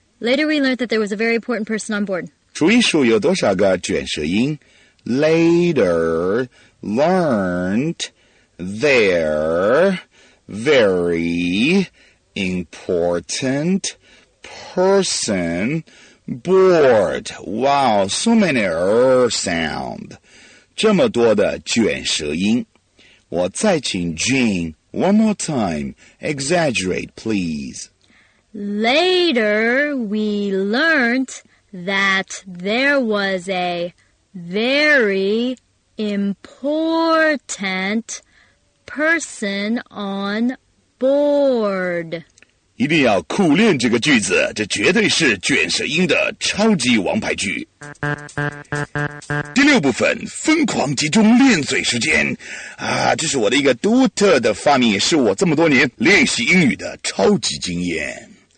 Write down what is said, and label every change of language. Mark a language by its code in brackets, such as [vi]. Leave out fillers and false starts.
[en] Later we learned that there was a very important person on board. [zh] 数一数有多少个卷舌音。 [en] Later learned there very important person bored. Wow, so many sound. [zh] 这么多的卷舌音。我再请 Jean [en] one more time. Exaggerate, please. Later, we learned that there was a very important person on board. [zh] 一定要苦练这个句子，这绝对是卷舌音的超级王牌句。第六部分，疯狂集中练嘴时间。啊，这是我的一个独特的发明，也是我这么多年练习英语的超级经验。